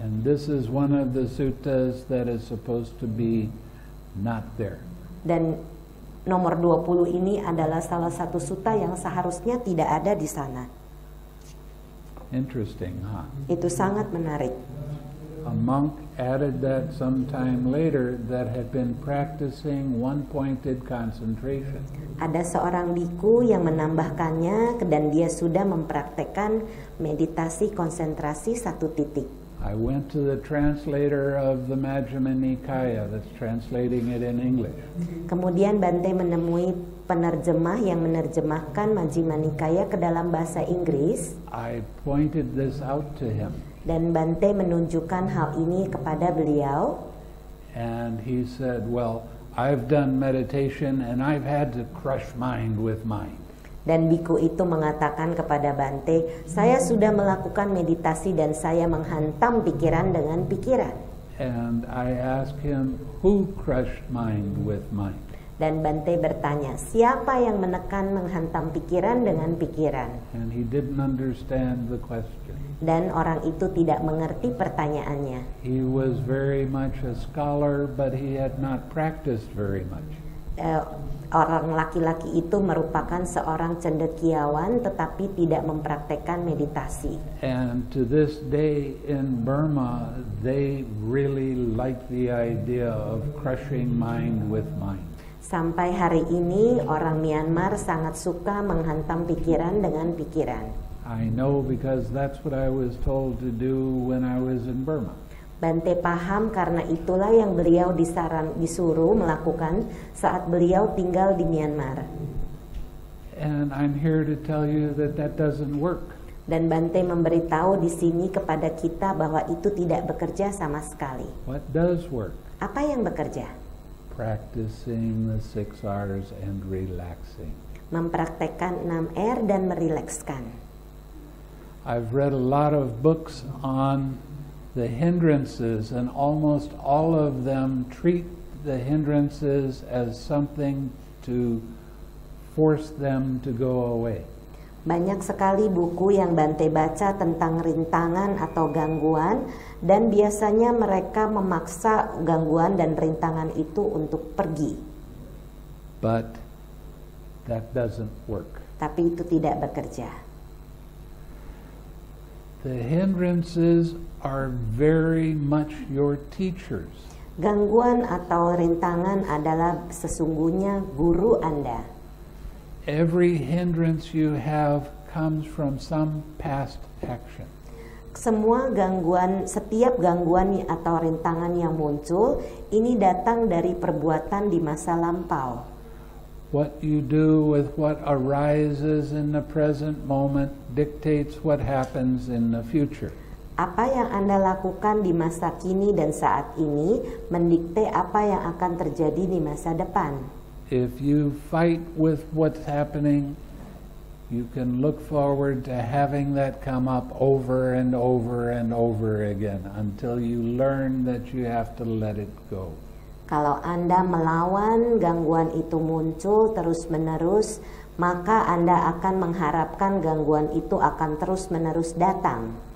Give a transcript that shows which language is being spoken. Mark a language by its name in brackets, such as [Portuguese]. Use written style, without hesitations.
[English] And this is one of the suttas that is supposed to be not there. [Indonesian] Dan nomor 20 ini adalah salah satu sutta yang seharusnya tidak ada di sana. [English] Interesting, huh? [Indonesian] Itu sangat menarik. [English] A monk added that some time later that had been practicing one-pointed concentration. [Indonesian] Ada seorang biku yang menambahkannya dan dia sudah mempraktekkan meditasi konsentrasi satu titik. [English] I went to the translator of the Majjhima Nikaya that's translating it in English. [Indonesian] Kemudian Bante menemui penerjemah yang menerjemahkan Majjhima Nikaya ke dalam bahasa Inggris. [English] I pointed this out to him. [Indonesian] Dan Bante menunjukkan hal ini kepada beliau. [English] And he said, well, I've done meditation and I've had to crush mind with mind. [Indonesian] Dan biku itu mengatakan kepada Bante, saya sudah melakukan meditasi dan saya menghantam pikiran dengan pikiran. [English] And I asked him, who crushed mind with mind? [Indonesian] Dan Bante bertanya, siapa yang menekan menghantam pikiran dengan pikiran? [English] And he didn't understand the question. [Indonesian] Dan orang itu tidak mengerti pertanyaannya. [English] He was very much a scholar, but he had not practiced very much. [Indonesian] orang laki-laki itu merupakan seorang cendekiawan tetapi tidak mempraktekkan meditasi. [English] And to this day in Burma, they really like the idea of crushing mind with mind. [Indonesian] Sampai hari ini orang Myanmar sangat suka menghantam pikiran dengan pikiran. [English] I know because that's what I was told to do when I was in Burma. [Indonesian] Bante paham karena itulah yang beliau disuruh melakukan saat beliau tinggal di Myanmar. [English] And I'm here to tell you that that doesn't work. [Indonesian] Dan Bante memberitahu di sini kepada kita bahwa itu tidak bekerja sama sekali. [English] What does work? [Indonesian] Apa yang bekerja? [English] Practicing the 6 R's and relaxing. [Indonesian] Mempraktekkan 6 R dan merilekskan. [English] I've read a lot of books on the hindrances, and almost all of them treat the hindrances as something to force them to go away. [Indonesian] Banyak sekali buku yang Bante baca tentang rintangan atau gangguan, dan biasanya mereka memaksa gangguan dan rintangan itu untuk pergi. [English] But that doesn't work. [Indonesian] Tapi itu tidak bekerja. [English] The hindrances are very much your teachers. [Indonesian] Gangguan atau rintangan adalah sesungguhnya guru Anda. [English] Every hindrance you have comes from some past action. [Indonesian] Setiap gangguan atau rintangan yang muncul ini datang dari perbuatan di masa lampau. [English] What you do with what arises in the present moment dictates what happens in the future. [Indonesian] Apa yang Anda lakukan di masa kini dan saat ini mendikte apa yang akan terjadi di masa depan. [English] If you fight with what's happening, you can look forward to having that come up over and over and over again until you learn that you have to let it go. [Indonesian] Kalau Anda melawan gangguan itu muncul terus-menerus, maka Anda akan mengharapkan gangguan itu akan terus-menerus datang.